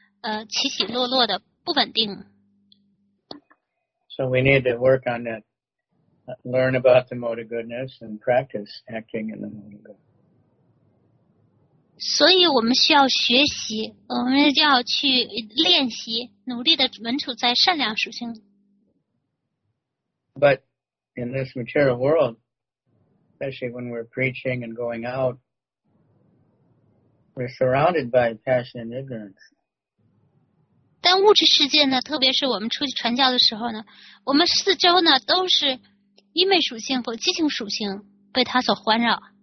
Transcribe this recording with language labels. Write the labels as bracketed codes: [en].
[zh] 那一个大部分时间处在激情属性的人呢,他有的时候也会做出愚昧属性的事,或者有的时候做出善良属性的事,就这样起起落落的,不稳定。 [en] So we need to work on that. Learn about the mode of goodness and practice acting in the mode of goodness. [zh] 所以我们需要学习,我们要去练习,努力地稳处在善良属性。 [en] But in this material world, especially when we're preaching and going out, we're surrounded by passion and ignorance. [zh] 但物质世界呢,特别是我们出去传教的时候呢,我们四周呢,都是愚昧属性或激情属性被它所环绕。